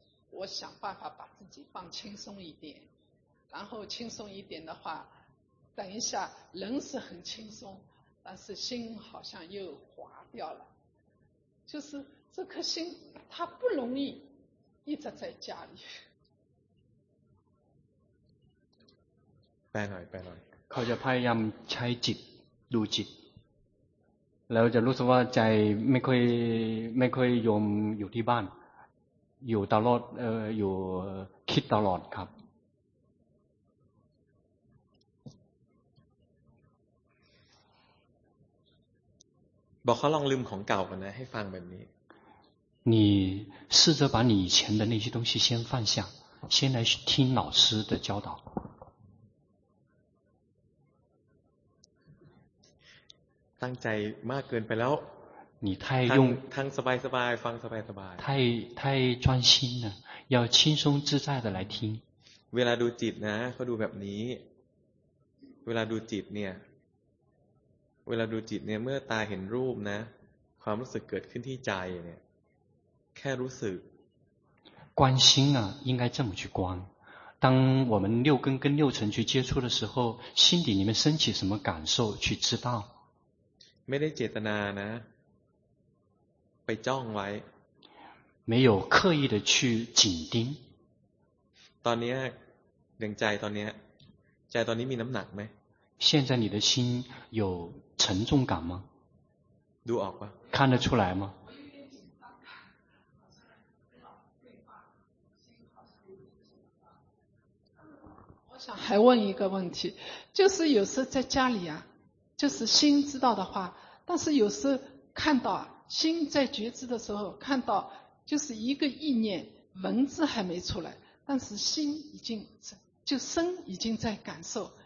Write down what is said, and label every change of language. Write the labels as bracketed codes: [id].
[zh] 我想办法把自己放轻松一点然后轻松一点的话等一下人是很轻松但是心好像又滑掉了就是这颗心它不容易一直在家里拜拜 [th] เขาจะพยายามใช้จิตดูจิตแล้วจะรู้สึกว่าใจไม่ค่อยยอมอยู่ที่บ้านอยู่ตลอดอยู่คิดตลอดครับ บอกเขาลองลืมของเก่ากันนะให้ฟังแบบนี้ [zh] 你试着把你以前的那些东西先放下先来听老师的教导 [th] ตั้งใจมากเกินไปแล้ว [zh] 你太用 [th] ทั้งสบายสบายฟังสบายสบาย [zh] 太专心了要轻松自在的来听 [th] เวลาดูจิตนะก็ดูแบบนี้เวลาดูจิตเนี่ยเวลาดูจิตเนี่ยเมื่อตาเห็นรูปนะความรู้สึกเกิดขึ้นที่ใจเนี่ยแค่รู้สึก [zh] 观心啊应该这么去观当我们六根跟六尘去接触的时候心底里面升起什么感受去知道 [th] ไม่ได้เจตนานะไปจ้องไว้ [zh] 没有刻意的去紧盯 [th] ตอนนี้เรื่องใจตอนนี้ใจตอนนี้มีน้ำหนักไหม [zh] 现在你的心有沉重感吗？读好吧。看得出来吗？我想还问一个问题，就是有时在家里啊，就是心知道的话，但是有时看到心在觉知的时候，看到就是一个意念，文字还没出来，但是心已经就身已经在感受。